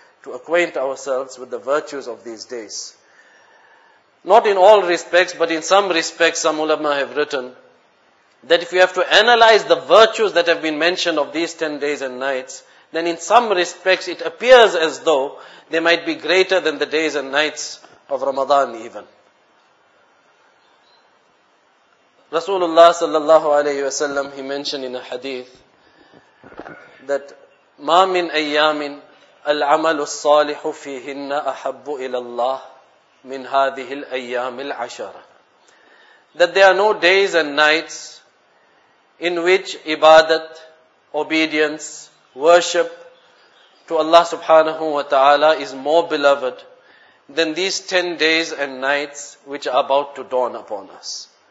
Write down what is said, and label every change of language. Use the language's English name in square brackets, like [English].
[English] to acquaint ourselves with the virtues of these days. Not in all respects, but in some respects, some ulama have written that if you have to analyze the virtues that have been mentioned of these 10 days and nights, then in some respects it appears as though they might be greater than the days and nights of Ramadan even. [Arabic] Rasulullah sallallahu alayhi wa sallam, [English] he mentioned in a hadith that [Arabic] مَا مِنْ أَيَّامٍ الْعَمَلُ الصَّالِحُ فِيهِنَّ أَحَبُّ إِلَى اللَّهِ مِنْ هَذِهِ الْأَيَّامِ الْعَشَرَةِ. [English] That there are no days and nights in which ibadat, obedience, worship to Allah subhanahu wa ta'ala is more beloved than these 10 days and nights which are about to dawn upon us.